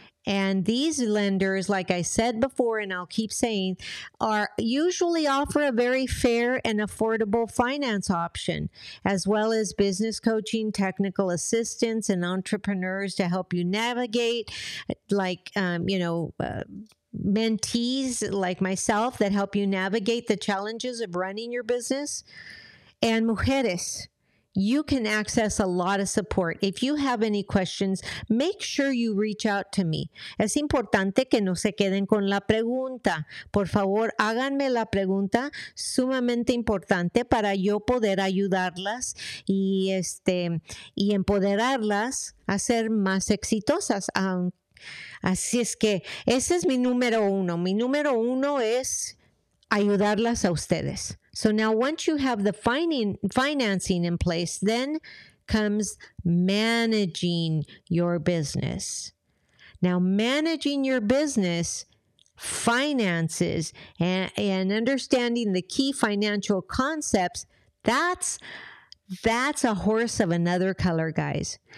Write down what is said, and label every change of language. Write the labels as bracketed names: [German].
[English] And these lenders, like I said before, and I'll keep saying, are usually offer a very fair and affordable finance option, as well as business coaching, technical assistance, and entrepreneurs to help you navigate, like, mentees like myself that help you navigate the challenges of running your business. And mujeres, you can access a lot of support. If you have any questions, make sure you reach out to me. [Spanish] Es importante que no se queden con la pregunta. Por favor, háganme la pregunta. Sumamente importante para yo poder ayudarlas y empoderarlas a ser más exitosas. Así es que ese es mi número uno. Mi número uno es ayudarlas a ustedes. [English] So now once you have the financing in place, then comes managing your business. Now managing your business, finances, and understanding the key financial concepts, that's a horse of another color, guys.